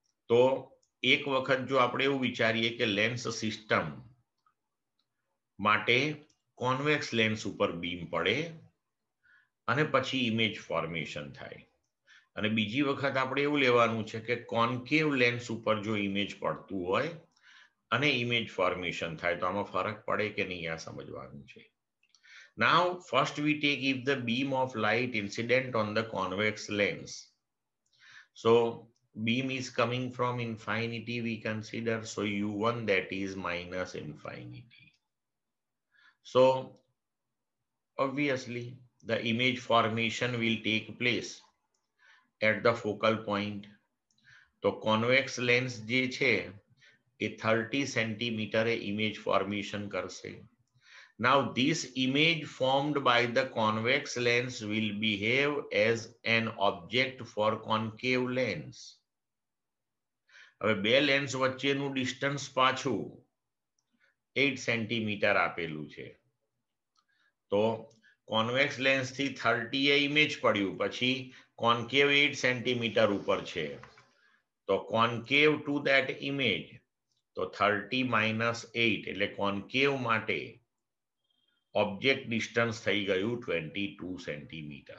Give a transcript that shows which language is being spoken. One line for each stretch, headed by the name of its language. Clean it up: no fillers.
Gujarati: તો એક વખત જો આપણે એવું વિચારીએ કે લેન્સ સિસ્ટમ માટે કોન્વેક્સ લેન્સ ઉપર બીમ પડે અને પછી ઇમેજ ફોર્મેશન થાય, અને બીજી વખત આપણે એવું લેવાનું છે કે કોન્કેવ લેન્સ ઉપર જો ઇમેજ પડતું હોય અને ઇમેજ ફોર્મેશન થાય, તો આમાં ફરક પડે કે નહીં આ સમજવાનું છે.
English: Now first we take if the beam of light incident on the convex lens. So beam is coming from infinity we consider, so u1 that is -∞. So, obviously, the image formation will take place at the focal point.
Gujarati: So, convex lens je che, e 30 cm image formation karse.
English: Now, this image formed by the convex lens will behave as an object for concave lens.
Gujarati: હવે બે lens વચ્ચેનું distance પાછું 8 centimetre આપેલું છે, તો convex lens થી 30 એ image પડ્યું, પછી કોન્કેવ 8 સેન્ટીમીટર ઉપર છે, તો કોન્કેવ ટુ ધેટ ઇમેજ, તો 30 - 8 એટલે કોન્કેવ માટે ઓબ્જેક્ટ ડિસ્ટન્સ થઈ ગયું 22 cm.